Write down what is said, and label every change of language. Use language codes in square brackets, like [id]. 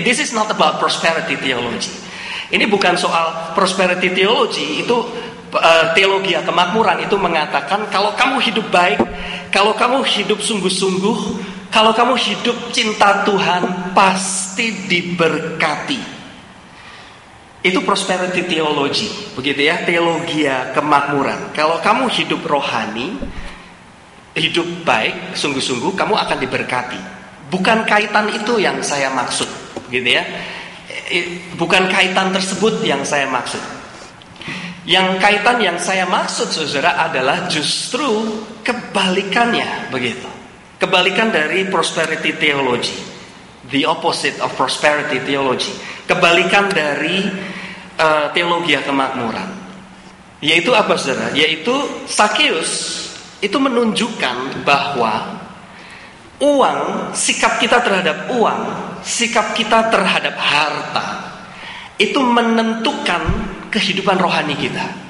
[en] This is not about prosperity theology. [id] Ini bukan soal prosperity theology. Itu teologi kemakmuran itu mengatakan kalau kamu hidup baik, kalau kamu hidup sungguh-sungguh, kalau kamu hidup cinta Tuhan, pasti diberkati. Itu prosperity theology, begitu ya, teologi kemakmuran. Kalau kamu hidup rohani, hidup baik, sungguh-sungguh, kamu akan diberkati. Bukan kaitan itu yang saya maksud, gitu ya. Bukan kaitan tersebut yang saya maksud. Yang kaitan yang saya maksud, saudara, adalah justru kebalikannya, begitu. Kebalikan dari prosperity theology. [en] The opposite of prosperity theology. [id] Kebalikan dari teologi kemakmuran, yaitu apa, saudara? Yaitu Zacchaeus itu menunjukkan bahwa uang, sikap kita terhadap uang, sikap kita terhadap harta, itu menentukan kehidupan rohani kita.